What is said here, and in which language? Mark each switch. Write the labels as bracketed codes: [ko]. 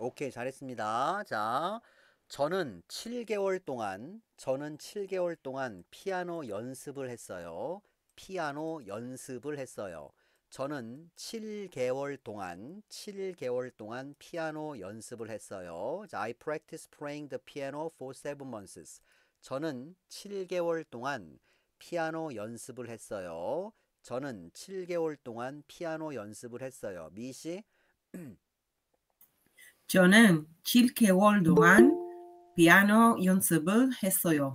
[ko] 오케이, 잘했습니다. 자, 저는 7개월 동안, 저는 7개월 동안 피아노 연습을 했어요. 피아노 연습을 했어요. 저는 7개월 동안, 7개월 동안 피아노 연습을 했어요. [en] 자, I practice playing the piano for 7 months. [ko] 저는 7개월 동안 피아노 연습을 했어요. 저는 7개월 동안 피아노 연습을 했어요. 미 씨? 저는 7개월 동안 피아노 연습을 했어요.